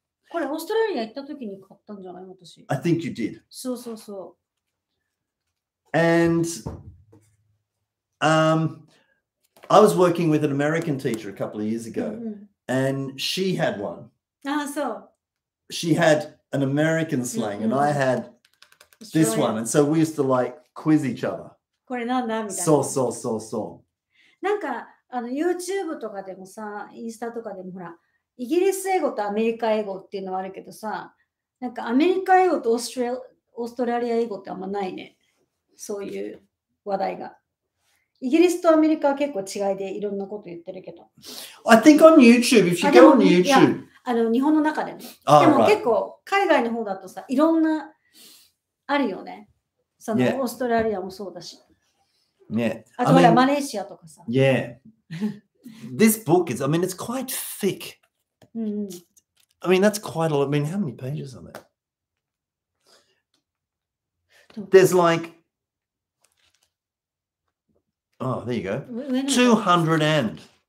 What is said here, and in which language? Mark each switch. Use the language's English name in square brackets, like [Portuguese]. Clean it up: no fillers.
[Japanese] これ、オーストラリア行った時に買ったんじゃない、私。 [English] I think you did. [Japanese] そうそうそう。 [English] And, I was working with an American teacher a couple of years ago, and she had one. [Japanese] あ、そう。 [English] She had an American slang, and I had this one. And so we used to like quiz each other. [Japanese] これなんだみたいな。そうそうそうそう。なんかあの YouTube とかでもさ、インスタとかでもほら、イギリス英語とアメリカ英語っていうのはあるけどさ、なんかアメリカ英語とオーストラリア英語ってあんまないね。そういう話題が。イギリスとアメリカは結構違いでいろんなこと言ってるけど。 [English] I think on YouTube, if you go on YouTube. [Japanese] あの日本の中でね。でも結構海外の方だとさ、いろんなあるよね。そのオーストラリアもそうだし。ね。あとはマレーシアとかさ。 [English] Yeah. This book is, I mean, it's quite thick. I mean, that's quite a lot. I mean, how many pages are there? There's like, oh, there you go. 200 and.